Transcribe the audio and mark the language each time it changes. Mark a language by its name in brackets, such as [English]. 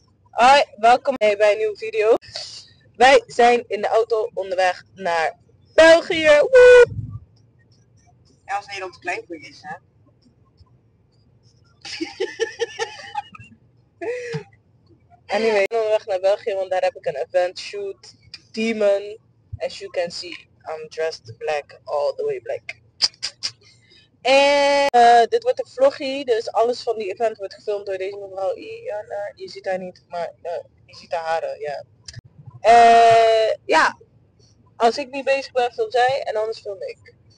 [Dutch] Hoi, welkom bij een nieuwe video. Wij zijn in de auto onderweg naar België. Woe! En als Nederland te klein voor je is, hè? Anyway, we zijn onderweg naar België, want daar heb ik een event. [English] Shoot, demon. As you can see, I'm dressed black, all the way black. [Dutch] En dit wordt een vloggie, dus alles van die event wordt gefilmd door deze mevrouw Iana. Je ziet haar niet, maar je ziet haar haren, ja. Ja, als ik niet bezig ben, film zij en anders film ik.